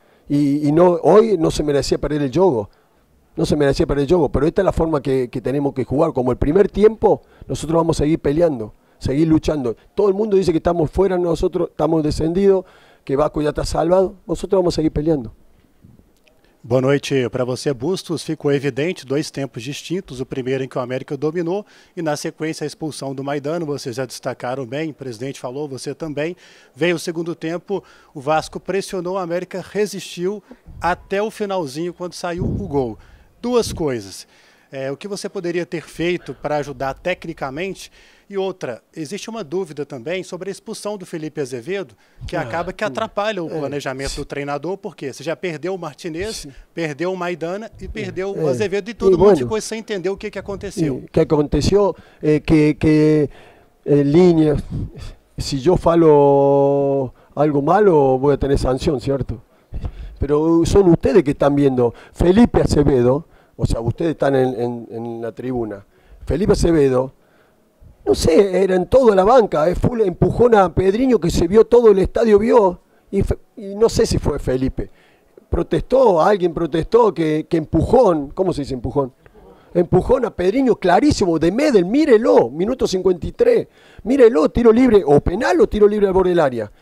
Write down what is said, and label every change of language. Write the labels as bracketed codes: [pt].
[es] Y no, hoy no se merecía perder el juego. No se merecía perder el juego. Pero esta es la forma que tenemos que jugar. Como el primer tiempo, nosotros vamos a seguir peleando, seguir luchando. Todo el mundo dice que estamos fuera nosotros, estamos descendidos, que Vasco ya está salvado. Nosotros vamos a seguir peleando. [pt] Boa noite para você, Bustos. Ficou evidente, dois tempos distintos. O primeiro em que o América dominou e, na sequência, a expulsão do Maidana. Vocês já destacaram bem, o presidente falou, você também. Veio o segundo tempo, o Vasco pressionou, o América resistiu até o finalzinho, quando saiu o gol. Duas coisas. O que você poderia ter feito para ajudar tecnicamente? E outra, existe uma dúvida também sobre a expulsão do Felipe Azevedo, que acaba que atrapalha o planejamento do treinador, porque você já perdeu o Martinez, perdeu o Maidana e perdeu o Azevedo, e todo mundo ficou sem entender o que aconteceu. O que aconteceu é que linha, se eu falo [es] algo malo, [pt] vou ter sanção, certo? Mas são vocês que estão vendo Felipe Azevedo, ou seja, vocês estão na tribuna. [es] Felipe Azevedo, no sé, era en toda la banca, full empujón a Pedriño, que se vio todo el estadio, vio, y no sé si fue Felipe. Protestó, alguien protestó que empujón, ¿cómo se dice empujón? Empujón a Pedriño, clarísimo, de Medel, mírelo, minuto 53, mírelo, tiro libre, o penal o tiro libre al borde del área.